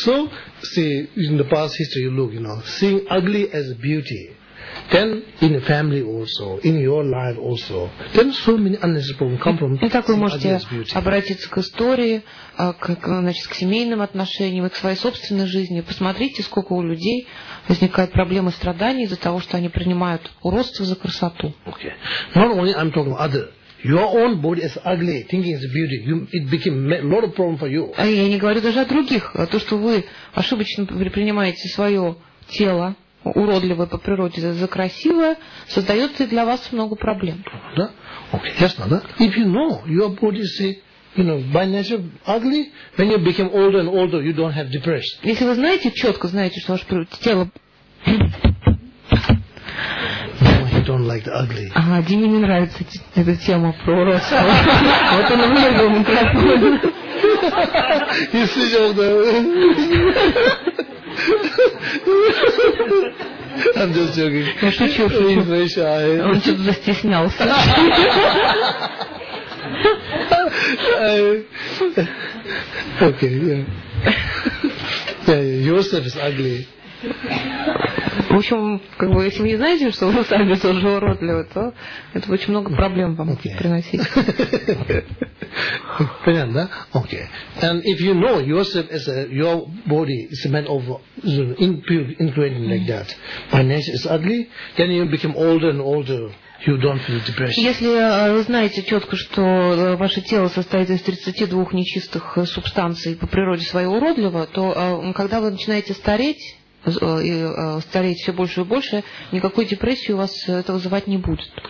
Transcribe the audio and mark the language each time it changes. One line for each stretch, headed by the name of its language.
English: So, see, in the past history, you look, you know, seeing ugly as a beauty, then in the family also, in your life also, then so many unnecessary problems come from.
Russian: Итак, вы можете обратиться к истории, к семейным отношениям и к своей собственной жизни. Посмотрите, сколько у людей возникает проблемы страданий из-за того, что они принимают уродство за красоту.
English: Okay. Not only I'm talking about other. Your own body is ugly, thinking it's beauty. It became a lot of problem for you.
Russian: А я не говорю даже о других. То, что вы ошибочно принимаете свое тело, уродливое по природе, за красивое, создает и для вас много проблем. Да? Окей, ясно, да?
English: If you know your body is, you know, by nature ugly, when you become older and older, you don't have depression.
Russian: Если вы знаете, четко знаете, что ваше тело...
English: No, he don't like the ugly.
Russian: Ага, Диме не нравится эта тема про уродство. Вот он выиграл микрофон. И сидел, да...
English: I'm just joking.
Russian: Я шучу, шучу.
English: He's shy.
Russian: Он что-то застеснялся.
English: Okay, yeah. Yourself is ugly.
Russian: В общем, как бы, если вы не знаете, что вы сами тоже уродливы, то это очень много проблем вам okay. приносить. Понятно, да? Okay.
English: And if you know yourself as a, your body is made of impure ingredient like that, by nature is ugly, then you become older and older. You don't feel depression.
Russian: Если вы знаете четко, что ваше тело состоит из 32 нечистых субстанций по природе своей уродливо, то когда вы начинаете стареть, и стареть все больше и больше, никакой депрессии у вас это вызывать не будет.